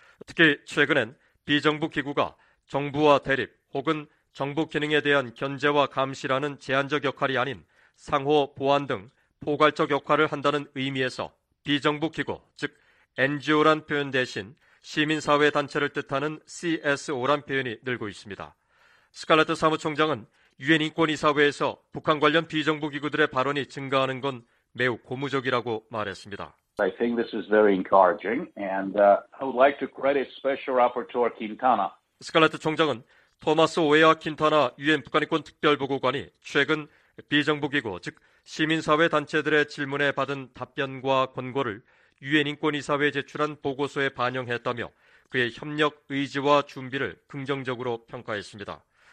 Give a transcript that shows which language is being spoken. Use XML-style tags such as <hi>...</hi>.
<ko>특히 최근엔 비정부기구가 정부와 대립 혹은 정부 기능에 대한 견제와 감시라는 제한적 역할이 아닌 상호 보완 등 포괄적 역할을 한다는 의미에서 비정부기구, 즉 NGO란 표현 대신 시민사회단체를 뜻하는 CSO란 표현이 늘고 있습니다. 스칼라트 사무총장은 유엔 인권이사회에서 북한 관련 비정부기구들의 발언이 증가하는 건 매우 고무적이라고 말했습니다.</ko> <en>I think this is very encouraging and I would like to credit Special Rapporteur Quintana.</en> <ko>스칼라트 총장은 토마스 오웨아 킨타나 유엔 북한인권 특별보고관이 최근 비정부기구, 즉 시민사회단체들의 질문에 받은 답변과 권고를 유엔인권이사회에 제출한 보고서에 반영했다며 그의 협력 의지와 준비를 긍정적으로 평가했습니다.</ko>